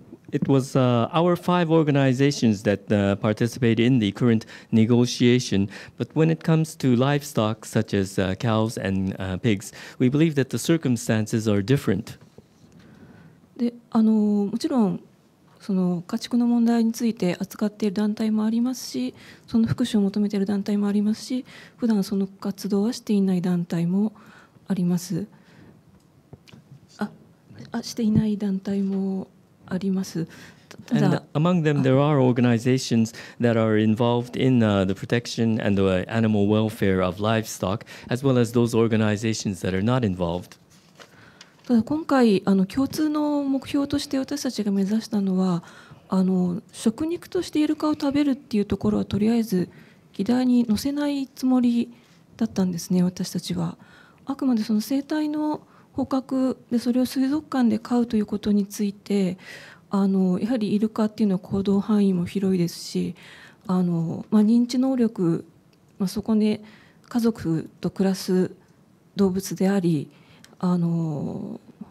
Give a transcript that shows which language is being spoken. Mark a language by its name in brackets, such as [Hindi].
[English] It was our five organizations that participated in the current negotiation. But when it comes to livestock, such as cows and pigs, we believe that the circumstances are different. [Japanese] で、もちろんその家畜の問題について扱っている団体もありますし、その福祉を求めている団体もありますし、普段その活動はしていない団体もあります。していない団体も [English] And among them, there are organizations that are involved in the protection and the animal welfare of livestock, as well as those organizations that are not involved. [Japanese] ただ今回共通の目標として私たちが目指したのは食肉としてイルカを食べるっていうところはとりあえず議題に載せないつもりだったんですね。私たちはあくまでその生態の捕獲でそれを水族館で飼うということについて、やはりイルカっていうのは行動範囲も広いですし、まあ、認知能力、まあ、そこで家族と暮らす動物であり、そ